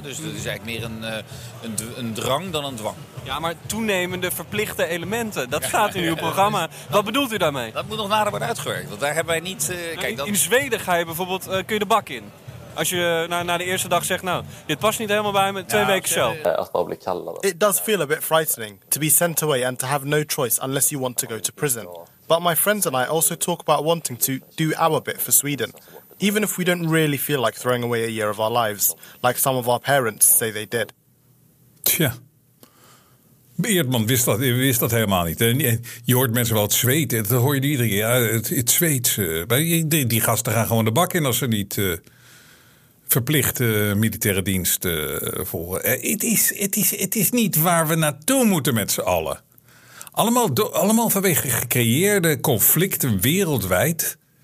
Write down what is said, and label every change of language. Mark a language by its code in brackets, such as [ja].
[nl] Dus dat is eigenlijk meer een drang dan een dwang. Ja, maar toenemende verplichte elementen, dat staat in uw programma. Wat bedoelt u daarmee? Dat moet nog nader worden uitgewerkt, want daar hebben wij niet... In Zweden ga je bijvoorbeeld, kun je de bak in? Als je na de eerste dag zegt, nou, dit past niet helemaal bij me, twee weken cel. [en] It does feel a bit frightening to be sent away and to have no choice unless you want to go to prison. But my friends and I also talk about wanting to do our bit for Sweden. Even if we don't really feel like throwing away a year of our lives, like some of our parents say they did. [nl] Tja. Eerdman wist dat helemaal niet. Je hoort mensen wel het zweten, dat hoor je niet iedereen. Ja, het zweet. Die gasten gaan gewoon de bak in als ze niet verplichte militaire dienst volgen. Het is niet waar we naartoe moeten met z'n allen. Allemaal vanwege gecreëerde conflicten wereldwijd.